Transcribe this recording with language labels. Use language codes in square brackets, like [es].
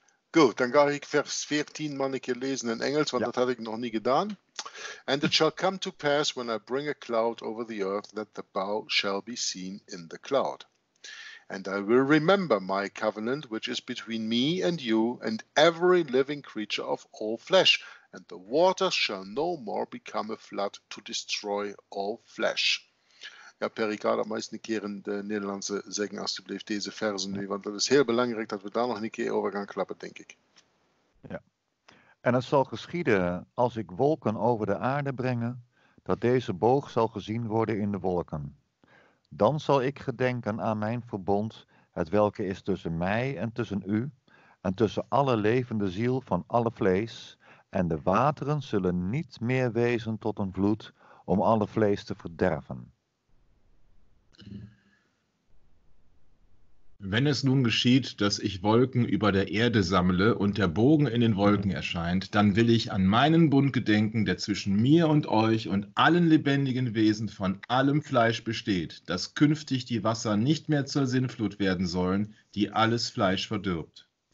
[de] Gut, dann gehe ich Vers 14 mal lesen in Englisch, weil ja. Das hatte ich noch nie getan. [en] And it shall come to pass, when I bring a cloud over the earth, that the bow shall be seen in the cloud. And I will remember my covenant, which is between me and you and every living creature of all flesh. And the waters shall no more become a flood to destroy all flesh. [nl] Ja, Pericard, dat meest een keer in de Nederlandse zeggen, alsjeblieft, deze versen nu. Want het is heel belangrijk dat we daar nog een keer over gaan klappen, denk ik. Ja. En het zal geschieden als ik wolken over de aarde brengen, dat deze boog zal gezien worden in de wolken. Dan zal ik gedenken aan mijn verbond, het welke is tussen mij en tussen u, en tussen alle levende ziel van alle vlees, en de wateren zullen niet meer wezen tot een vloed om alle vlees te verderven. [de] Wenn es nun geschieht, dass ich Wolken über der Erde sammle und der Bogen in den Wolken erscheint, dann will ich an meinen Bund gedenken, der zwischen mir und euch und allen lebendigen Wesen von allem Fleisch besteht, dass künftig die Wasser nicht mehr zur Sinnflut werden sollen, die alles Fleisch verdirbt.